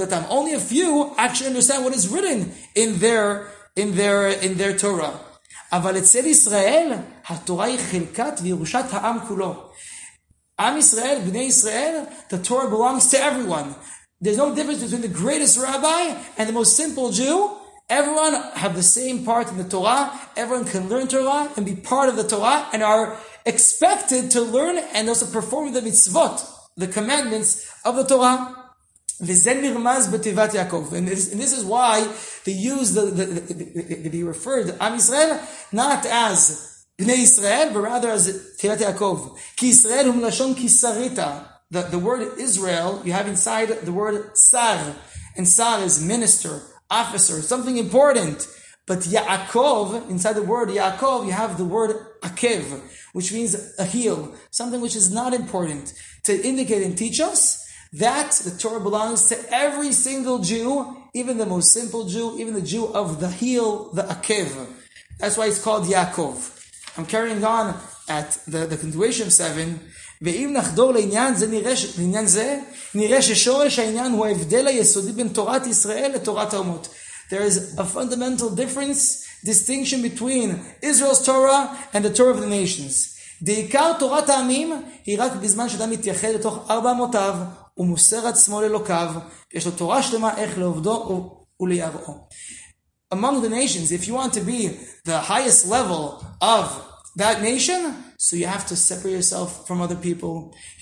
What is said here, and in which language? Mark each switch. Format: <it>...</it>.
<en>Only a few actually understand what is written in their Torah.</en> <he>אבל אצל ישראל, התורה היא חלקת וירושת העם כולו.</he> <en>Am Israel, Bnei Israel, the Torah belongs to everyone. There's no difference between the greatest rabbi and the most simple Jew. Everyone have the same part in the Torah. Everyone can learn Torah and be part of the Torah and are expected to learn and also perform the mitzvot, the commandments of the Torah.</en> <he>V'zen nirmaz b'tivat Yaakov.</he> <en>And this is why they use they referred to Am Israel not as Bnei Israel, but rather as Tivat Yaakov.</en> <he>Ki Israel hum lashon kisarita.</he> <en>The word Israel, you have inside the word sar. And sar is minister, officer, something important. But Yaakov, inside the word Yaakov, you have the word akev, which means a heel, something which is not important. To indicate and teach us that the Torah belongs to every single Jew, even the most simple Jew, even the Jew of the heel, the akev. That's why it's called Yaakov. I'm carrying on at the continuation of 7.</en> <he>ואם נחדור לעניין זה, נראה ששורש העניין הוא ההבדל היסודי בין תורת ישראל לתורת האומות.</he> <en>There is a fundamental distinction between Israel's Torah and the Torah of the nations.</en> <he>דעיקר תורת העמים היא רק בזמן שאדם מתייחד לתוך ארבע אמותיו, ומוסר עצמו ללוקיו, יש לו תורה שלמה איך לעובדו וליראו.</he> <en>Among the nations, if you want to be the highest level of that nation, so you have to separate yourself from other people.</en>